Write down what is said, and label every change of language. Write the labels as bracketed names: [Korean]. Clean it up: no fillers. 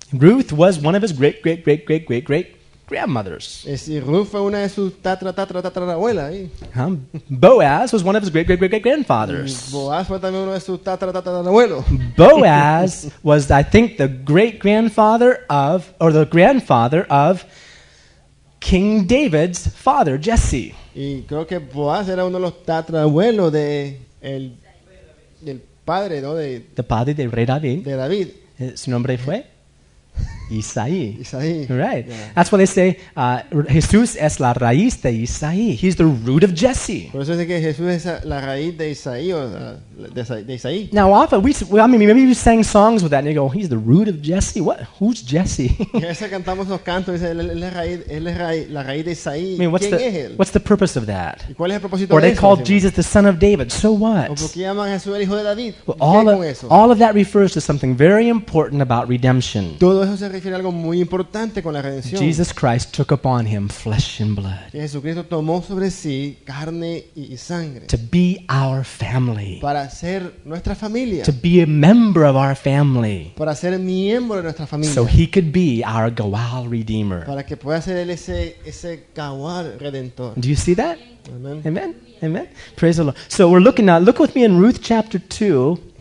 [English] Ruth was one of his great great great great great great grandmothers. [Spanish] Es decir, Ruth fue una de sus tatra tatra tatra abuela. [English] Boaz was one of his great great great great grandfathers. [Spanish] Boaz fue también uno de sus tatra tatra tatra abuelos. [English] Boaz was, I think, the great grandfather of, or the grandfather of King David's father, Jesse. [Spanish] Y creo que Boaz era uno de los tatarabuelos de el padre, ¿no? De the padre del rey David. De David. Su nombre fue Isaí. Isaí. [English] Right. Yeah. That's what they say. [Spanish] Jesús es la raíz de Isaí. [English] He's the root of Jesse. [Spanish] Por eso es que Jesús es la raíz de Isaí, o de Isaí. [English] Now, often maybe you sang songs with that, and you go, "He's the root of Jesse." What? Who's Jesse? [Spanish] Esa cantamos los cantos, dice, la raíz de Isaí. [English] I mean, what's the purpose of that? [Spanish] ¿Y cuál es el propósito [English] or [Spanish] de [English] they [Spanish] eso, [English] called [Spanish] decimos? [English] Jesus the son of David. So what? [Spanish] ¿O por qué llaman a Jesús el hijo de David? [English] Well, all of that refers to something very important about redemption. [Spanish] Todo eso se refiere a algo muy importante con la redención. [English] Jesus Christ took upon him flesh and blood. [Spanish] Jesucristo tomó sobre sí carne y sangre. [English] To be our family. [Spanish] Para ser nuestra familia. [English] To be a member of our family. [Spanish] Para ser miembro de nuestra familia. [English] So he could be our Goel Redeemer. [Spanish] Para que pueda ser él ese Goel Redentor. [English] Do you see that? Amen. Amen. Amen. Praise the Lord. So we're looking now. Look with me in Ruth chapter 2.